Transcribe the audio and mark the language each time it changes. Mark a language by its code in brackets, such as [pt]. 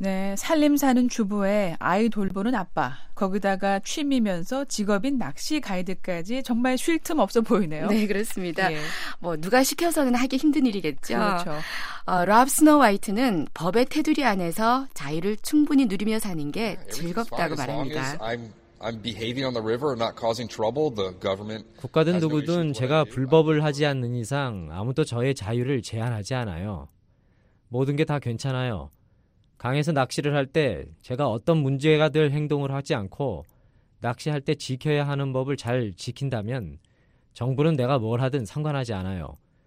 [ko] 네, 살림 사는 주부에 아이 돌보는 아빠, 거기다가 취미면서 직업인 낚시 가이드까지 정말 쉴 틈 없어 보이네요. 네, 그렇습니다. 예. 뭐 누가 시켜서는 하기 힘든 일이겠죠. 그렇죠. 랍 스노우화이트는 법의 테두리 안에서 자유를 충분히 누리며 사는 게 즐겁다고 말합니다. [en] I'm behaving on the river or not causing trouble. The government. [ko] 국가든 누구든 제가 불법을 하지 않는 이상 아무도 저의 자유를 제한하지 않아요. 모든 게 다 괜찮아요. 강에서 낚시를 할 때 제가 어떤 문제가 될 행동을 하지 않고 낚시할 때 지켜야 하는 법을 잘 지킨다면 정부는 내가 뭘 하든 상관하지 않아요.